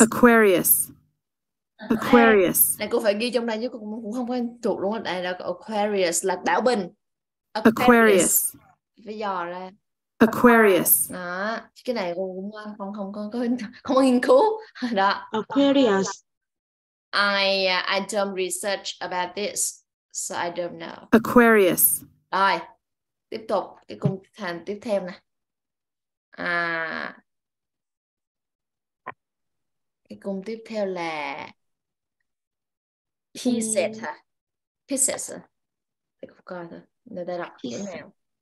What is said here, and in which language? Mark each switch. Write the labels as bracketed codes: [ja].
[en] Aquarius. Aquarius. [vi] Này cô phải ghi trong này chứ cô cũng không quen thuộc luôn. Đây là Aquarius là bão bình. [en] Aquarius. [vi] Phải dò ra. [en] Aquarius. [vi] Đó, cái này cô cũng không có nghiên cứu. Đó. [en] Aquarius. I don't research about this, so I don't know. Aquarius. [vi] Rồi, tiếp tục cái cung thần tiếp theo nè. Cái cung tiếp theo là Pisces hả? Pisces. Để cô coi thôi. Để đây đọc chữ nào.